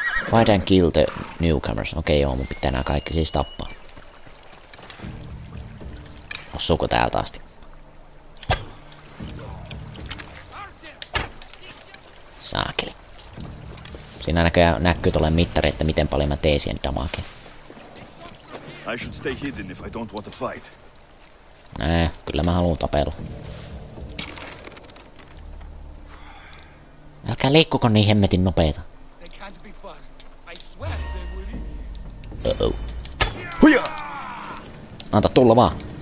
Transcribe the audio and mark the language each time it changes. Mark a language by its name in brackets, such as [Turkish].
[English] Fight and kill the newcomers. [Finnish] Okei, joo, mun pitää nää kaikki siis tappaa. Osuuko täältä asti? Saakeli. Siinä näkyy tolleen mittari, että miten paljon mä teen siihen damakeen. [English] I should stay hidden if I don't want to fight. [Finnish] Nää, kyllä mä haluun tapella. Älkää liikkuko niin hemmetin nopeeta. Huijaa! Anta tulla vaan!